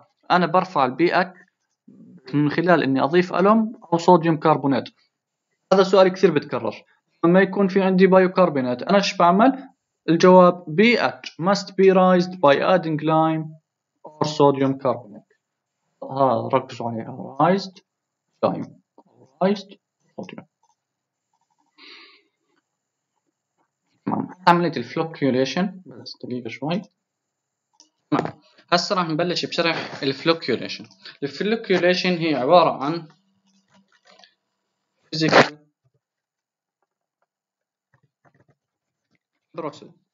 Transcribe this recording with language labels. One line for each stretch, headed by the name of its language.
Arabic: أنا برفع البي اتش من خلال إني أضيف ألم أو صوديوم كربونات. هذا سؤال كثير بتكرر، لما يكون في عندي بيوكربونات أنا إيش بعمل؟ الجواب
English: pH must be raised by adding lime or sodium carbonate.
Arabic: هذا ركزوا عليه،
English: raised lime or raised sodium.
Arabic: عملية الفلوكيوليشن، بس دقيقة شوي. هسه راح نبلش بشرح الفلوكيوليشن. الفلوكيوليشن هي عبارة عن
English: physical process.